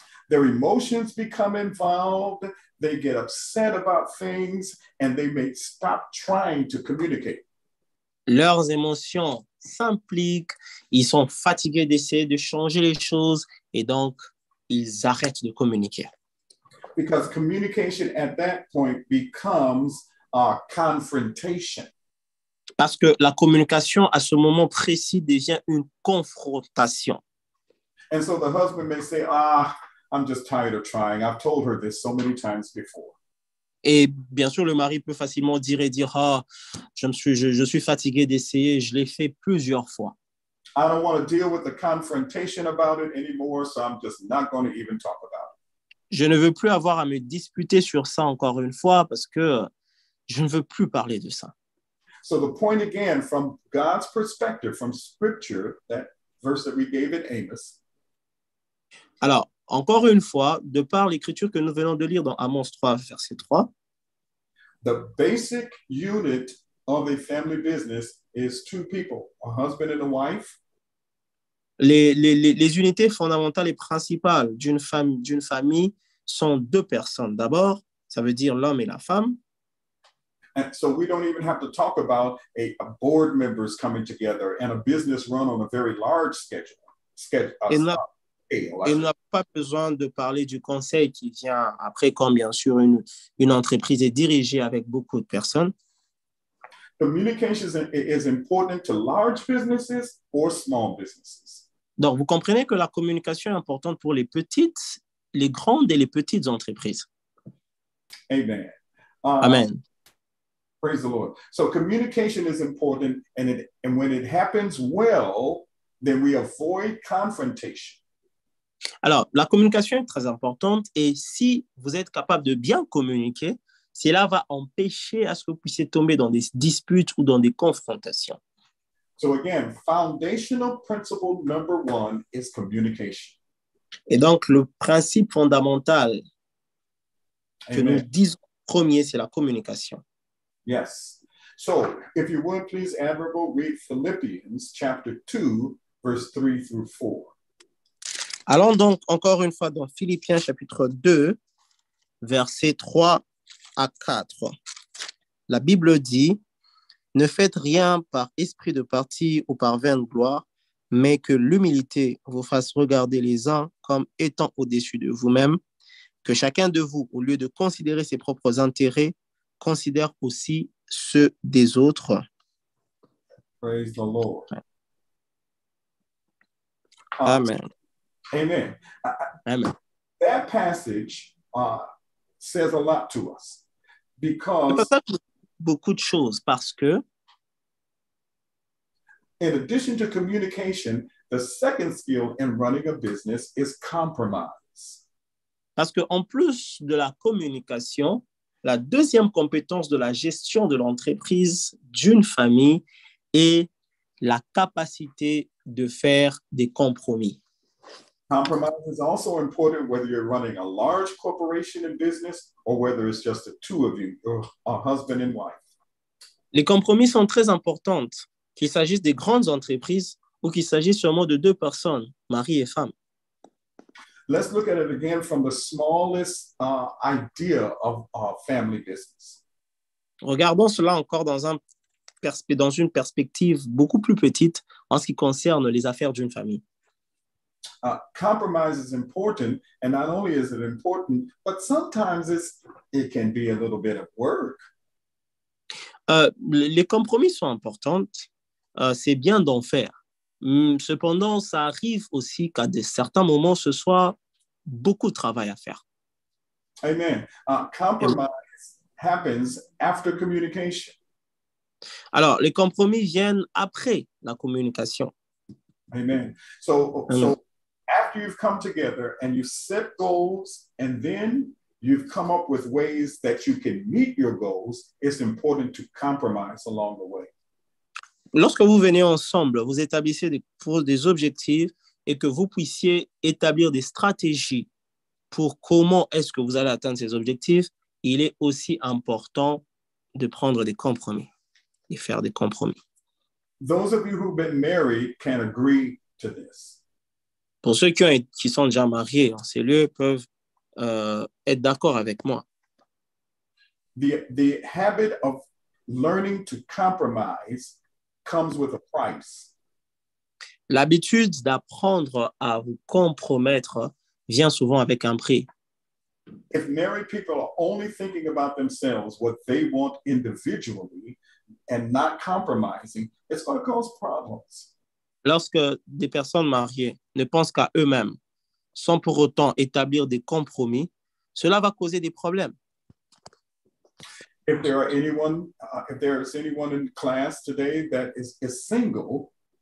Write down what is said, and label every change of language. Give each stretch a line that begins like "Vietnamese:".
English: Their emotions become involved, they get upset about things, and they may stop trying to communicate.
French: Leurs émotions s'impliquent, ils sont fatigués d'essayer de changer les choses et donc ils arrêtent de communiquer.
English: Because communication at that point becomes a confrontation.
French: Parce que la communication à ce moment précis devient une confrontation.
English: And so the husband may say, ah, I'm just tired of trying. I've told her this so many times before.
French: Et bien sûr, le mari peut facilement dire et dire, ah, je suis fatigué d'essayer, je l'ai fait plusieurs fois.
English: I don't want to deal with the confrontation about it anymore, so I'm just not going to even talk about it.
French: Je ne veux plus avoir à me disputer sur ça encore une fois parce que je ne veux plus parler de ça.
English: So the point again, from God's perspective, from scripture, that verse that we gave in Amos.
French: Alors, encore une fois, de par l'écriture que nous venons de lire dans Amos 3, verset 3,
English: the basic unit of a family business is two people, a husband and a wife.
French: Les unités fondamentales et principales d'une famille sont deux personnes. D'abord, ça veut dire l'homme et la femme.
English: And so we don't even have to talk about a board members coming together and a business run on a very large scale.
French: Et nous n'avons pas besoin de parler du conseil qui vient après quand, bien sûr, une entreprise est dirigée avec beaucoup de personnes.
English: Communication is important to large businesses or small businesses.
French: Donc, vous comprenez que la communication est importante pour les petites, les grandes et les petites entreprises.
English: Amen. Amen. Praise the Lord. So, communication is important and when it happens well, then we avoid confrontation.
French: Alors, la communication est très importante et si vous êtes capable de bien communiquer, cela va empêcher à ce que vous puissiez tomber dans des disputes ou dans des confrontations.
English: So again, foundational principle number one is communication.
French: Et donc, le principe fondamental que Amen. Nous disons premier, c'est la communication.
English: Yes. So, if you would, please, Admirable, read Philippians chapter 2, verse 3 through 4.
French: Allons donc encore une fois dans Philippiens chapitre 2, versets 3 à 4. La Bible dit, Ne faites rien par esprit de parti ou par vaine gloire, mais que l'humilité vous fasse regarder les uns comme étant au-dessus de vous-même, que chacun de vous, au lieu de considérer ses propres intérêts, considère aussi ceux des autres.
English: Praise the Lord. Amen. Amen. Amen. That passage says a lot to us because
French: beaucoup de choses parce que
English: in addition to communication, the second skill in running a business is compromise.
French: Parce que en plus de la communication, la deuxième compétence de la gestion de l'entreprise d'une famille est la capacité de faire des compromis.
English: Compromise is also important whether you're running a large corporation in business or whether it's just the two of you, a husband and wife.
French: Les compromis sont très importantes, qu'il s'agisse des grandes entreprises ou qu'il s'agisse seulement de deux personnes, mari et femme.
English: Let's look at it again from the smallest idea of our family business.
French: Regardons cela encore dans une perspective beaucoup plus petite en ce qui concerne les affaires d'une famille.
English: Compromise is important, and not only is it important, but sometimes it can be a little bit of work.
French: Les compromis sont importants, c'est bien d'en faire. Cependant, ça arrive aussi qu'à certains moments, ce soit beaucoup de travail à faire.
English: Amen. Compromise happens after communication.
French: Alors, les compromis viennent après la communication.
English: Amen. So, after you've come together and you've set goals and then you've come up with ways that you can meet your goals, it's important to compromise along the way.
French: Lorsque vous venez ensemble, vous établissez des objectifs et que vous puissiez établir des stratégies pour comment est-ce que vous allez atteindre ces objectifs, il est aussi important de prendre des compromis et faire des compromis.
English: Those of you who've been married can agree to this.
French: Pour ceux qui sont déjà mariés en ces lieux peuvent être d'accord avec moi.
English: The habit of learning to compromise comes with a price.
French: L'habitude d'apprendre à vous compromettre vient souvent avec un prix.
English: If married people are only thinking about themselves, what they want individually, and not compromising, it's going to cause problems.
French: Lorsque des personnes mariées ne pensent qu'à eux-mêmes, sans pour autant établir des compromis, cela va causer des problèmes.
English: If there is anyone in class today that is single,